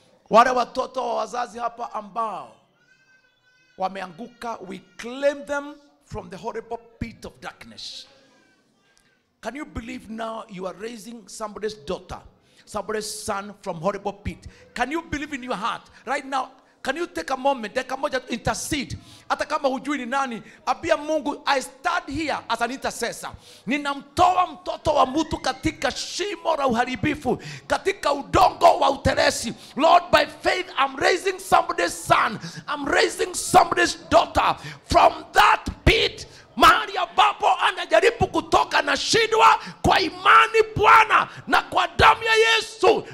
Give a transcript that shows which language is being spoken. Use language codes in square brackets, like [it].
[en] Whatever [sw] toto wazazi hapa ambao wameanguka, [en] we claim them from the horrible pit of darkness. Can you believe now you are raising somebody's daughter, somebody's son from horrible pit? Can you believe in your heart right now? Can you take a moment, take a moment to intercede? [sw] Hata kama hujui ni nani, abia Mungu, [en] I stand here as an intercessor. [sw] Ninamtoa mtoto wa mtu katika shimo la uharibifu, katika udongo wa uteresi. [en] Lord, by faith, I'm raising somebody's son. I'm raising somebody's daughter from that pit. [sw] Mahali ambapo anajaribu kutoka na shindwa kwa imani Bwana na kwa damu ya Yesu.